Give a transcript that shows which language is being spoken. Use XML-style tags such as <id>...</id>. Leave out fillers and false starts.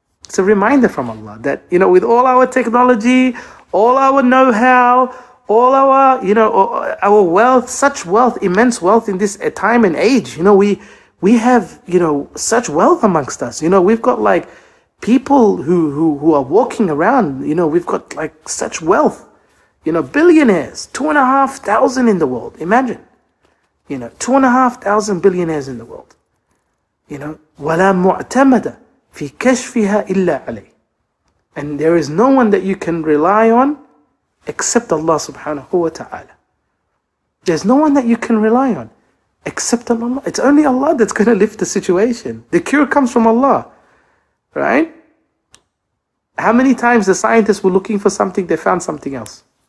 <en>It's a reminder from Allah that, you know, with all our technology, all our know-how, all our, you know, our wealth, such wealth, immense wealth in this time and age, you know, we have, you know, such wealth amongst us. You know, we've got like people who are walking around, you know, we've got like such wealth, you know, billionaires, 2,500 in the world. Imagine, you know, 2,500 billionaires in the world. You know,</en> <ar>وَلَا مُعْتَمَدَ فِي كَشْفِهَا إِلَّا عَلَيْهِ.</ar> <en>And there is no one that you can rely on except Allah subhanahu wa ta'ala. There's no one that you can rely on except Allah. It's only Allah that's going to lift the situation. The cure comes from Allah, right? How many times the scientists were looking for something, they found something else.</en>